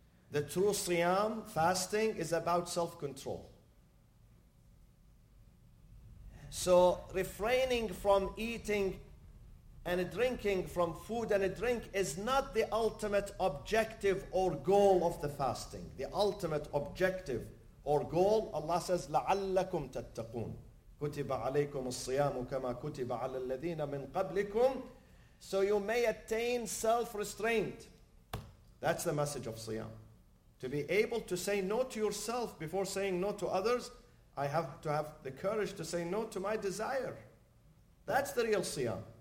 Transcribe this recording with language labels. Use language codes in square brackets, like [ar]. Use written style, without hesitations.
[en] The true siyam, fasting, is about self-control. So refraining from eating and drinking from food and a drink is not the ultimate objective or goal of the fasting. The ultimate objective or goal, Allah says, [ar] لَعَلَّكُمْ تَتَّقُونَ كُتِبَ عَلَيْكُمُ الصِّيَامُ كَمَا كُتِبَ عَلَى الَّذِينَ مِنْ قَبْلِكُمْ. [en] So you may attain self-restraint. That's the message of Siyam. To be able to say no to yourself before saying no to others, I have to have the courage to say no to my desire. That's the real Siyam.